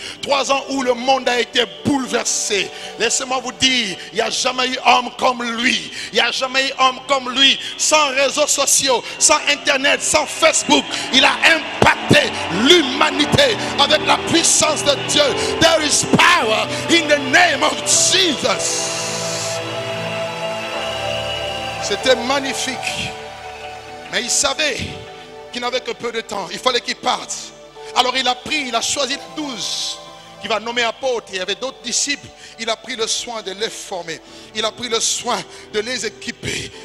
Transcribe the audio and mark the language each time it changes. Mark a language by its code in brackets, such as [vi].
[fr] 3 ans où le monde a été bouleversé. Laissez-moi vous dire, il n'y a jamais eu homme comme lui. Il n'y a jamais eu homme comme lui. Sans réseaux sociaux, sans internet, sans Facebook. Il a impacté l'humanité avec la puissance de Dieu. [en] There is power in the name of Jesus. [fr] C'était magnifique. Mais il savait qu'il n'avait que peu de temps. Il fallait qu'il parte. Alors il a choisi 12 Il va nommer apôtres. Il y avait d'autres disciples. Il a pris le soin de les former. Il a pris le soin de les équiper.